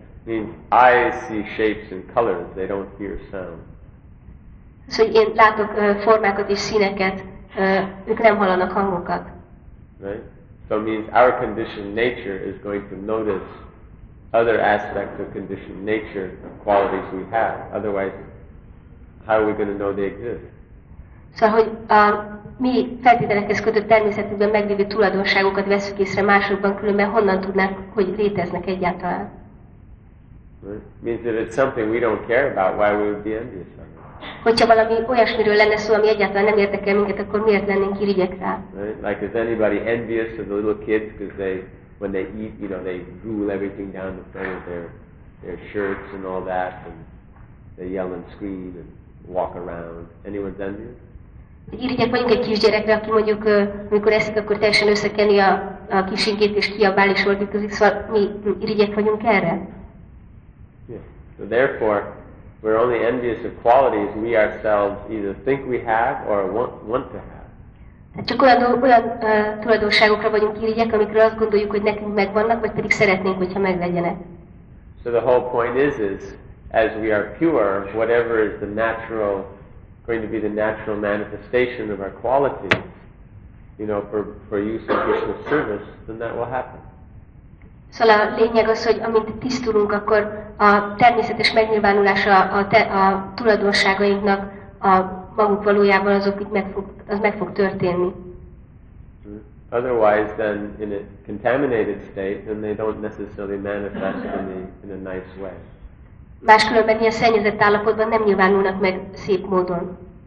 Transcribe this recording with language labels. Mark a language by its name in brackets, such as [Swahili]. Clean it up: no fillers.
[English] Means eyes see shapes and colors, they don't hear sound. [Hungarian] So én látok formákat és színeket, ők nem hallanak hangokat. [English] Right? So it means our conditioned nature is going to notice other aspects of conditioned nature and qualities we have. Otherwise, how are we going to know they exist? [Hungarian] Szóval, hogy a mi feltételekhez kötött természetünkben meglévő tulajdonságokat veszük észre másokban, különben honnan tudnánk, hogy léteznek egyáltalán. [English] Means that it's something we don't care about, why we would be envious of it. [Hungarian] Hogyha valami olyasmiről lenne szó, ami egyáltalán nem érdekel minket, akkor miért lennénk irigyek rá? [English] Like, is anybody envious of the little kids, because they, when they eat, you know, they drool everything down the front of their shirts and all that, and they yell and scream and walk around. Anyone's envious? [Hungarian] Irigyek vagyunk egy kisgyerekre, aki mondjuk, amikor eszik, akkor teljesen összekeni a kisingét és kiabál is volt, közik, szóval mi irigyek vagyunk erre? [English] Yeah. So therefore, we're only envious of qualities we ourselves either think we have or want to have. [Hungarian] Tehát csak olyan tulajdonságokra vagyunk irigyek, amikről azt gondoljuk, hogy nekünk megvannak, vagy pedig szeretnénk, hogyha meglegyenek. [English] So the whole point is as we are pure, whatever is the natural going to be the natural manifestation of our qualities, you know, for use in Krishna's service, then that will happen. [Hungarian] Szóval a lényeg az, hogy amint tisztulunk, akkor a természetes megnyilvánulása a tulajdonságainknak a maguk valójában azok itt meg fog történni. [English] Otherwise, then in a contaminated state, then they don't necessarily manifest in a nice way. [Hungarian] Máskülönben ilyen szennyezett állapotban nem nyilvánulnak meg szép módon.